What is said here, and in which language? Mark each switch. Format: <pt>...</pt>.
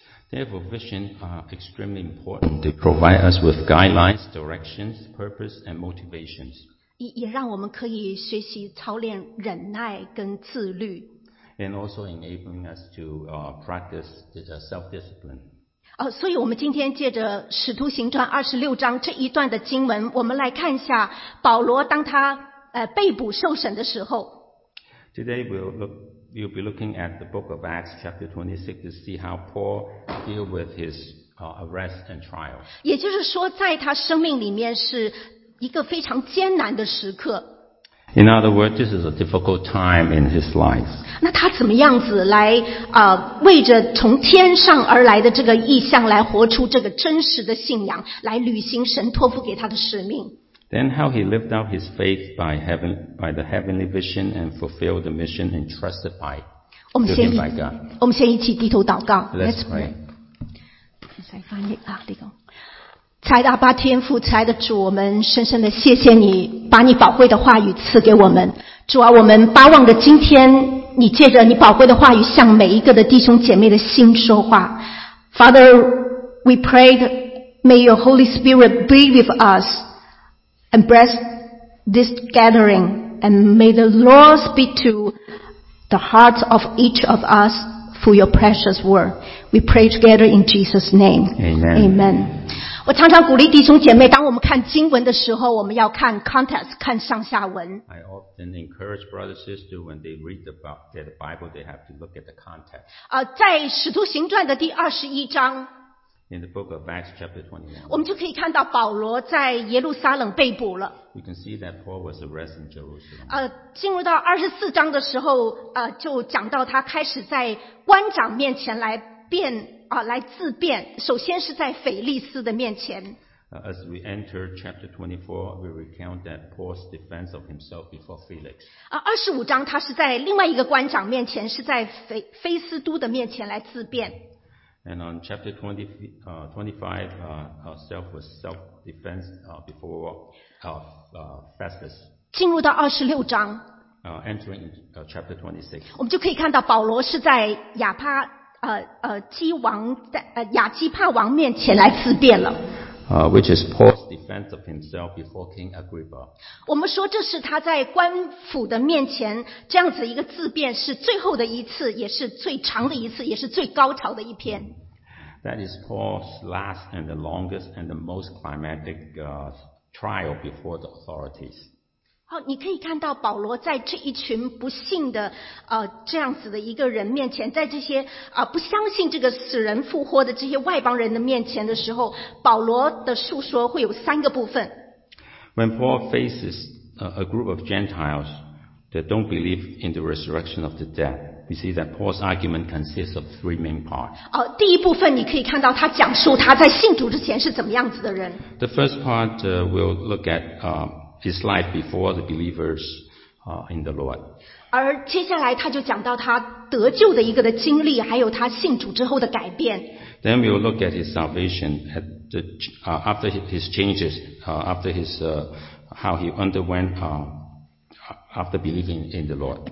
<en>Therefore, vision are extremely important. They provide us with guidelines, directions, purpose, and motivations.</en> <zh>也让我们可以学习操练忍耐跟自律。</zh> <en>And also enabling us to practice self-discipline.</en> <zh>所以我们今天借着《使徒行传》二十六章这一段的经文，我们来看一下保罗当他被捕受审的时候。</zh> <en>Today we'll be looking at the book of Acts chapter 26 to see how Paul deal with his arrest and trial.</en> <zh>也就是说，在他生命里面是一个非常艰难的时刻。</zh> <en>In other words, this is a difficult time in his life.</en> <zh>那他怎么样子来为着从天上而来的这个异象来活出这个真实的信仰，来履行神托付给他的使命。</zh> <en>Then how he lived out his faith by the heavenly vision and fulfilled the mission entrusted by him by God.</en> <zh>我们先一起低头祷告。</zh> <en>Let's pray.</en> <zh>再翻译啊，这个。慈爱的阿爸天父，慈爱的主，我们深深的谢谢你把你宝贵的话语赐给我们。主啊，我们巴望着今天你借着你宝贵的话语向每一个的弟兄姐妹的心说话。</zh> <en>Father, we pray that may your Holy Spirit be with us and bless this gathering, and may the Lord speak to the hearts of each of us for your precious word. We pray together in Jesus' name. Amen. Amen.</en> <zh>我常常鼓励弟兄姐妹，当我们看经文的时候，我们要看 context， 看上下文。</zh> <en>I often encourage brothers and sisters when they read the Bible, they have to look at the context.</en> <zh>在《使徒行传》的第二十一章。</zh> <en>In the book of Acts, chapter 21,</en> <zh>我们就可以看到保罗在耶路撒冷被捕了。</zh> <en>You can see that Paul was arrested in Jerusalem.</en> <zh>进入到24章的时候，就讲到他开始在官长面前来自辩，首先是在腓力斯的面前。</zh> <en>As we enter chapter 24, we recount that Paul's defense of himself before Felix.</en> <zh>25章他是在另外一个官长面前，是在菲斯都的面前来自辩。</zh> <en>And on chapter 25, ourself was self-defense before Festus.</en> <zh>进入到26章。</zh> <en>Entering chapter 26.</en> <zh>我们就可以看到保罗是在亚基帕王面前来自辩了。</zh> <en>Which is Paul's defense of himself before King Agrippa.</en> <zh>我们说这是他在官府的面前这样子一个自辩，是最后的一次，也是最长的一次，也是最高潮的一篇。</zh> <en>That is Paul's last and the longest and the most climactic trial before the authorities.</en> <zh>好，你可以看到保罗在这一群不信的这样子的一个人面前，在这些不相信这个死人复活的这些外邦人的面前的时候，保罗的述说会有三个部分。</zh> <en>When Paul faces a group of Gentiles that don't believe in the resurrection of the dead. We see that Paul's argument consists of three main parts.</en> <zh>第一部分你可以看到他讲述他在信主之前是怎么样子的人。</zh> <en>The first part we'll look at his life before the believers in the Lord.</en> <zh>而接下来他就讲到他得救的一个的经历，还有他信主之后的改变。</zh> <en>Then we'll look at his salvation at the after his changes after his how he underwent. After believing in the Lord.</en>